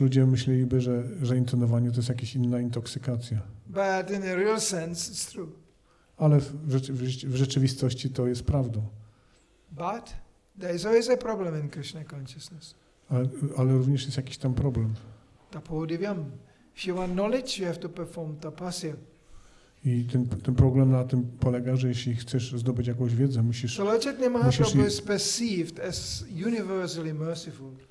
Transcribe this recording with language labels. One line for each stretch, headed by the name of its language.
Polish: ludzie myśleliby, że intonowanie to jest jakaś inna intoksykacja.
English: But in a real sense, it's true.
Polish: Ale w rzeczywistości to jest prawdą.
English: But there is always a problem in Krishna consciousness.
Polish: Ale również jest jakiś tam problem. tapodivyam.
English: If you want knowledge, you have to perform tapasya.
Polish: I ten problem na tym polega, że jeśli chcesz zdobyć jakąś wiedzę, musisz...
English: So Lajcet Nimahaprabhu is perceived as universally merciful.